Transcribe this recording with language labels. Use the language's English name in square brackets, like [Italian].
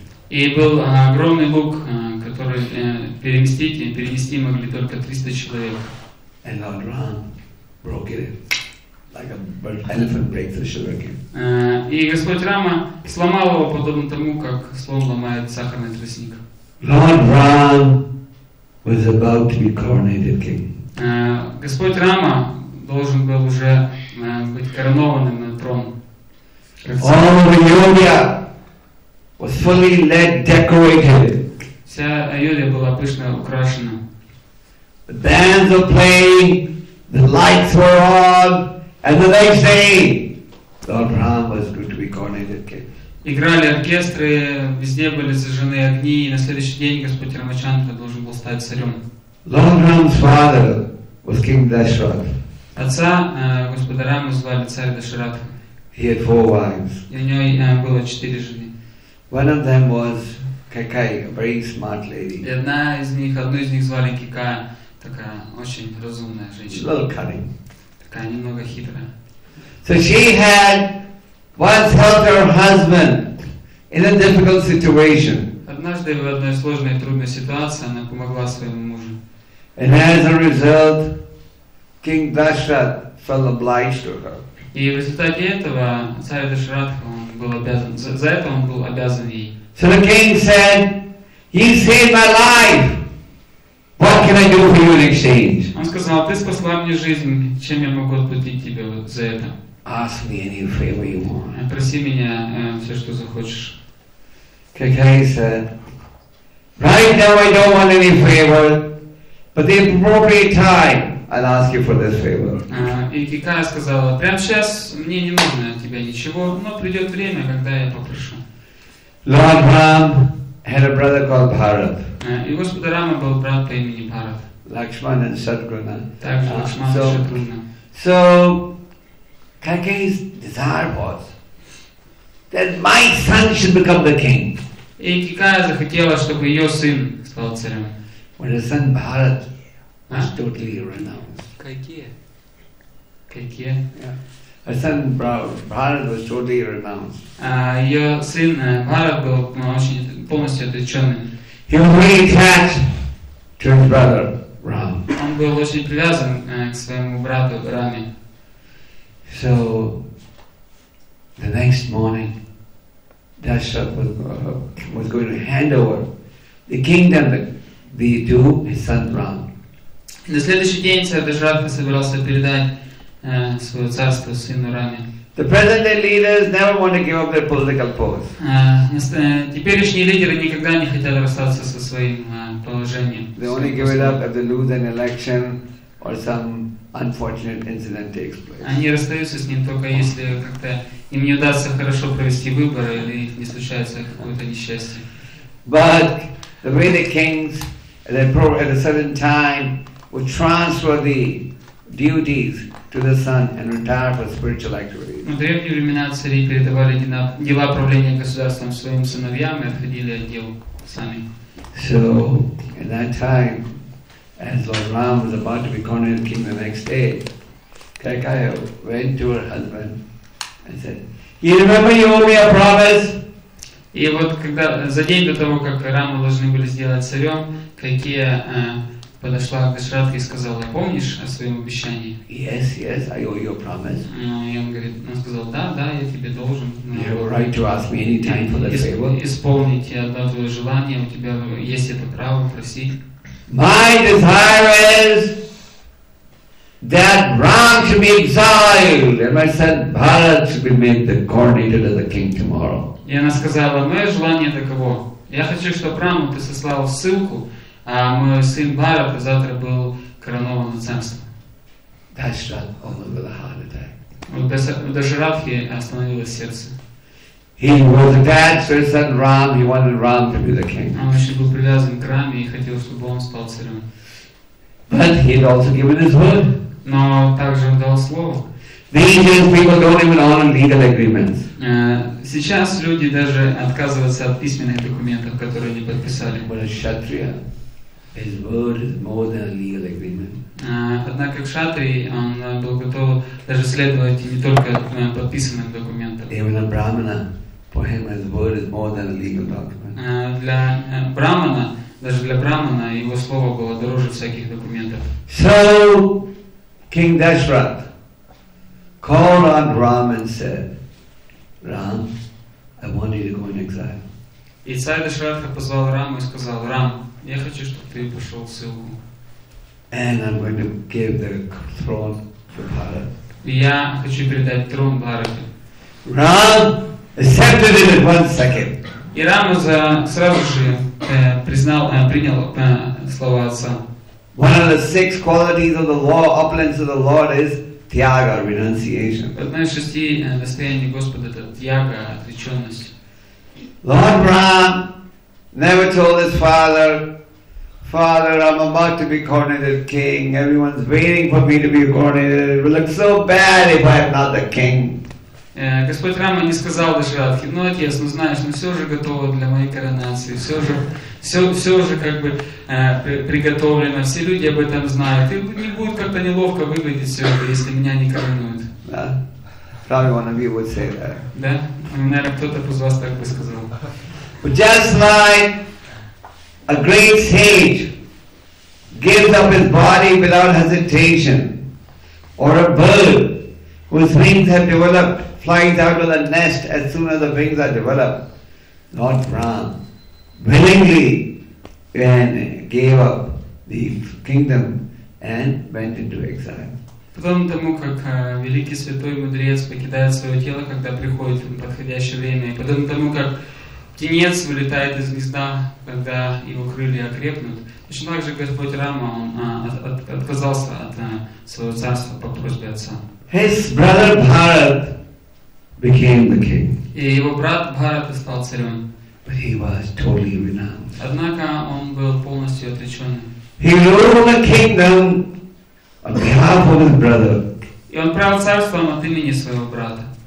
[Russian] И был огромный лук, который перенести могли только 300 человек. [English] And Lord Ram broke it like an elephant breaks a sugarcane. [Russian] И Господь Рама сломал его подобно тому, как слон ломает сахарный тростник. [English] Lord Ram was about to be coronated king. [Russian] Господь Рама должен был уже быть коронованным на трон. [English] All of Ayodhya was fully led decorated. [Russian] Вся Айодия была пышно украшена. [English] The bands were playing, the lights were on, and the next day, Lord Ram was going to be coronated king. [Russian] Играли оркестры, везде были зажжены огни, и на следующий день Господь Рамачандра должен был стать царем. [English] Lord Ram's father was King Dashrath. [Russian] Отца Господа Рамы звали царь Дашрат. [English] He had 4 wives. [Russian] И у него было 4 жены. [English] One of them was Kekai, a very smart lady. [Russian] И одну из них звали Кекая, такая очень разумная женщина. [English] A little cunning. [Russian] Такая немного хитрая. [English] So she had once helped her husband in a difficult situation. [Russian] Однажды в одной сложной и трудной ситуации она помогла своему мужу. [English] And as a result, King Dashrath felt obliged to her. [Russian] И в результате этого царь Дашаратха был обязан, за это он был обязан ей. [English] So the king said, you saved my life. What can I do for you in exchange? [Russian] Он сказал, ты спасла мне жизнь, чем я могу отплатить тебе вот за это? [English] Ask me any favor you want. [Russian] Проси меня все, что захочешь. Как я и [English] said, right now I don't want any favor, but the appropriate time. I'll ask you for this favor. [Russian] И Кикая сказала, прямо сейчас мне не нужно от тебя ничего, но придет время, когда я попрошу. [English] Lord Ram had a brother called Bharat. [Russian] И Господа Рама был брат по имени Бхарат. [English] Lakshman and Shatrughna. [Russian] Также Лакшман и Шатруна. [English] So Kaikeyi's desire was that my son should become the king. [Russian] И Кикая захотела, чтобы ее сын стал царем. [English] When his son Bharat was totally renounced. Kaikeya. Yeah. Her son Bharat was totally renounced. Your son [Russian] Bharat был очень полностью отречённый. [English] He was very attached to his brother Ram. [Russian] Он был очень привязан к своему брату Раме. [English] So the next morning, Dashrath was going to hand over the kingdom to his son Ram. [Russian] На следующий день царь Дашратха собирался передать свое царство сыну Раме. [English] The present leaders never want to give up their political post. [Russian] Теперешние лидеры никогда не хотят расстаться со своим положением. [English] They only give it up if they lose an election or some unfortunate incident takes place. [Russian] Они расстаются с ним только если как-то им не удастся хорошо провести выборы или не случается какое-то несчастье. [English] But the way the kings at a certain time would transfer the duties to the son and retire for spiritual activities. [Russian] В древние времена цари передавали дела правления государством своим сыновьям и отходили от дел сами. [English] So, at that time, as Lord Ram was about to be coronated king the next day, Kaikeyi went to her husband and said, "You remember you owe me a promise?" [Russian] И вот когда за день до того, как Раму должны были сделать царем, Кайкея подошла к Дашратхе и сказала, помнишь о своем обещании? [English] Yes, yes, I owe you a promise. [Russian] Он сказал, да, я тебе должен. [English] You have a right to ask me any time for the favor. [Russian] Исполнить одно твое желание, у тебя есть это право просить. [English] My desire is that Ram should be exiled and my son Bharat should be made the coronated as a king tomorrow. [Russian] И она сказала, мое желание таково. Я хочу, чтобы Раму ты сослал ссылку, а мой сын Бхарат завтра был коронован на царство. [English] Дашрат almost with a heart attack. [Russian] У Дашратхи остановилось сердце. [English] He was attached to his son Ram. He wanted Ram to be the king. [Russian] Он еще был привязан к Раме и хотел, чтобы он стал царем. [English] But he had also given his word. [Russian] Но также он дал слово. [English] These people don't even honor legal agreements. [Russian] Сейчас люди даже отказываются от письменных документов, которые они подписали. [English] But a kshatriya, his word is more than a legal agreement. [Russian] Однако кшатри, он был готов даже следовать не только подписанным документам. [English] Even a brahmana, for him, his word is more than a legal document. [Russian] Для брахмана, даже для брахмана, его слово было дороже всяких документов. [English] So, King Dashrath called on Ram and said, Ram, I want you to go in exile. [Russian] И царь Дашратха позвал Раму и сказал, Рам, я хочу, чтобы ты пошел в ссылку. [English] And I'm going to give the throne to Bharat. [Russian] Я хочу передать трон Бхарате. [English] Ram accepted it in one second. [Russian] И Рам сразу же принял слова отца. [English] One of the six qualities of the law, opulence of the Lord is Tyaga, renunciation. [Russian] Одно из шести достояний Господа это тьяга, отречённость. [English] Lord Ram never told his father, Father, I'm about to be coronated king. Everyone's waiting for me to be coronated. It will look so bad if I'm not the king. [Russian] Господь Рама не сказал Дашратхе, ну отец, ну знаешь, ну все уже готово для моей коронации, все уже как бы приготовлено, все люди об этом знают, и не будет как-то неловко выглядеть все это, если меня не коронуют. Да, [English] probably one of you would say that. [Russian] Да, наверное, кто-то из вас так бы сказал. [English] But just like a great sage gives up his body without hesitation, or a bird, whose wings have developed, flies out of the nest as soon as the wings are developed. Lord Ram willingly gave up the kingdom and went into exile. [Russian] Потом тому, как великий святой мудрец покидает свое тело, когда приходит подходящее время, потом тому, как птенец вылетает из гнезда, когда его крылья окрепнут, точно так же Господь Рама отказался от своего царства по просьбе отца. [English] His brother Bharat became the king. [Russian] И его брат Бхарата стал царем. [English] But he was totally renounced. [Russian] Однако он был полностью отреченным. [English] He ruled the kingdom on behalf of his brother. [Russian] И он правил царством от имени своего брата.